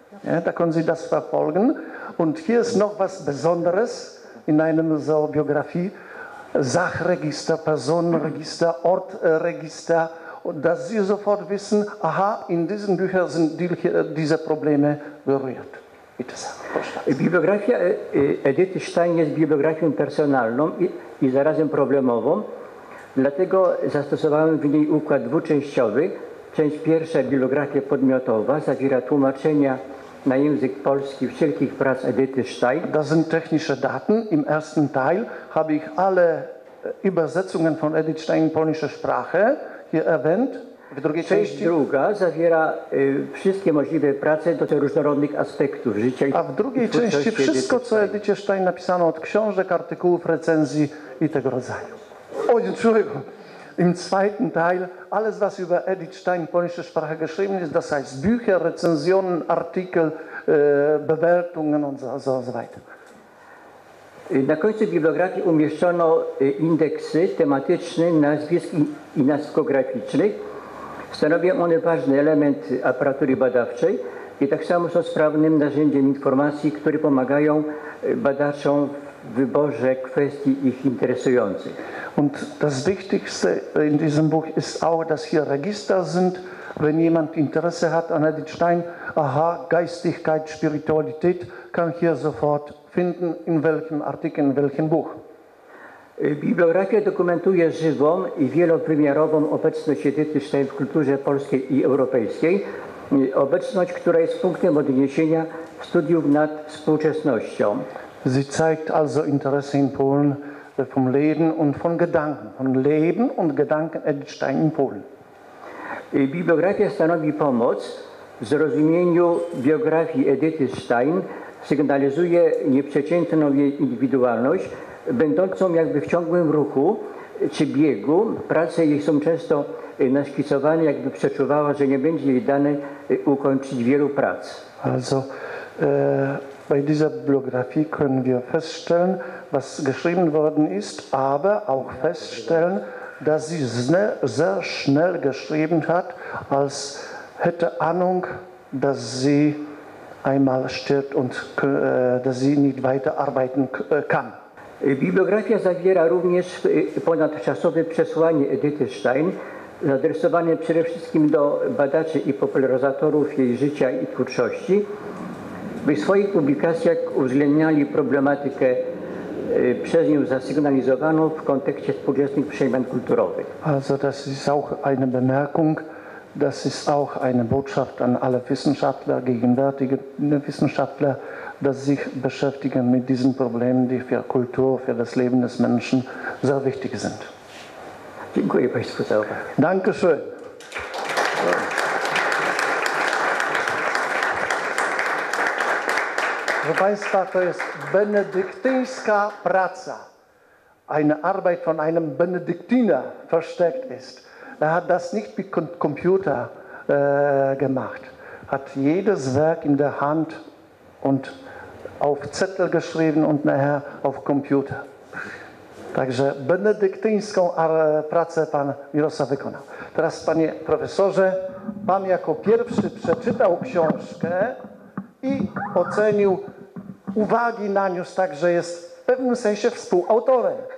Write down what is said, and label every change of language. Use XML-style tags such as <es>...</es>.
<de>Ja, da können Sie das verfolgen. Und hier ist noch was Besonderes in einer so Biografie. Sachregister, Personenregister, Ortregister. Und dass Sie sofort wissen, aha, in diesen Büchern sind diese Probleme berührt. Bitte sehr.</de> <pl>Bibliografia Edyty Stein jest bibliografią personalną i zarazem problemową. Dlatego zastosowałem w niej układ dwuczęściowy. Część pierwsza, bibliografia podmiotowa, zawiera tłumaczenia na język polski wszelkich prac Edyty Stein.</pl> <de>Das sind technische Daten. Im ersten Teil habe ich alle Übersetzungen von Edyty Stein in polnische Sprache hier erwähnt.</de> <pl>W drugiej części druga zawiera wszystkie możliwe prace do tych różnorodnych aspektów życia. A w drugiej części wszystko, co Edycie Stein napisano od książek, artykułów, recenzji i tego rodzaju.</pl> <de>Oj, Entschuldigung. Im zweiten Teil, alles, was über Edyty Stein in polnischer Sprache geschrieben ist, das heißt Bücher, Rezensionen, Artikel, Bewertungen und so weiter.</de> <pl>Na końcu bibliografii umieszczono indeksy tematyczne, nazwisk i nazwiskograficzne. Stanowią one ważny element aparatury badawczej i tak samo są sprawnym narzędziem informacji, które pomagają badaczom w wyborze kwestii ich interesujących.</pl> <de>Und das Wichtigste in diesem Buch ist auch, dass hier Register sind, wenn jemand Interesse hat an Edyty Stein, aha, Geistigkeit, Spiritualität, kann hier sofort finden, in welchem Artikel, in welchem Buch.</de> <pl>Bibliografia dokumentuje żywą i wielowymiarową obecność Edyty Stein w kulturze polskiej i europejskiej. Obecność, która jest punktem odniesienia studiów nad współczesnością.</pl> <de>Sie zeigt also Interesse in Polen vom Leben und von Gedanken, von Leben und Gedanken Edith Stein in Polen.</de> <pl>Bibliografia stanowi pomoc w zrozumieniu biografii Edyty Stein, sygnalizuje nieprzeciętną jej indywidualność, będącą jakby w ciągłym ruchu czy biegu. Prace jej są często naszkicowane, jakby przeczuwała, że nie będzie jej dane ukończyć wielu prac.</pl> <de>Also, bei dieser Biografie können wir feststellen, was geschrieben worden ist, aber auch feststellen, dass sie sehr schnell geschrieben hat, als hätte Ahnung, dass sie einmal stirbt und dass sie nicht weiter arbeiten kann.</de> <pl>Bibliografia zawiera również ponadczasowe przesłanie Edyty Stein, adresowane przede wszystkim do badaczy i popularyzatorów jej życia i twórczości, by w swoich publikacjach uwzględniali problematykę przez nią zasygnalizowaną w kontekście współczesnych przemian kulturowych.</pl> <de>Also das ist auch eine Bemerkung, das ist auch eine Botschaft an alle Wissenschaftler, gegenwärtige Wissenschaftler, dass sich beschäftigen mit diesen Problemen, die für Kultur, für das Leben des Menschen sehr wichtig sind.</de> <pl>Dziękuję Państwu za uwagę.</pl> <de>Dankeschön.</de> <pl>Proszę Państwa, to jest benedyktyńska praca.</pl> <de>Eine Arbeit von einem Benediktiner versteckt ist. Er hat das nicht mit Computer gemacht. Hat jedes Werk in der Hand und auf Zettel geschrieben und nachher auf Computer.</de> <pl>Także benedyktyńską pracę pan Mirosław wykonał. Teraz, panie profesorze, pan jako pierwszy przeczytał książkę i ocenił, uwagi naniósł, także jest w pewnym sensie współautorem.</pl>